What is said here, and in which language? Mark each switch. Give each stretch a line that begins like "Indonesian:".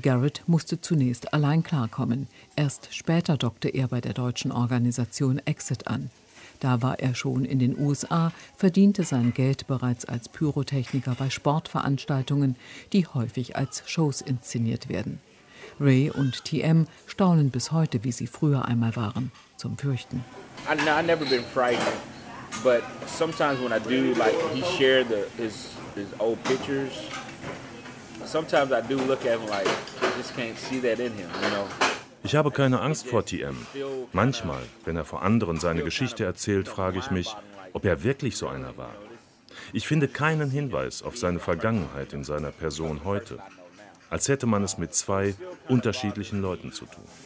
German: Garrett musste zunächst allein klarkommen. Erst später dockte er bei der deutschen Organisation Exit an. Da war er schon in den USA, verdiente sein Geld bereits als Pyrotechniker bei Sportveranstaltungen, die häufig als Shows inszeniert werden. Ray und TM staunen bis heute, wie sie früher einmal waren, zum Fürchten.
English: I've never been frightened, but sometimes when I do, like he shared his old pictures, sometimes I do look at him like I just can't see that in him, you know.
German: Ich habe keine Angst vor TM. Manchmal, wenn er vor anderen seine Geschichte erzählt, frage ich mich, ob er wirklich so einer war. Ich finde keinen Hinweis auf seine Vergangenheit in seiner Person heute. Als hätte man es mit zwei unterschiedlichen Leuten zu tun.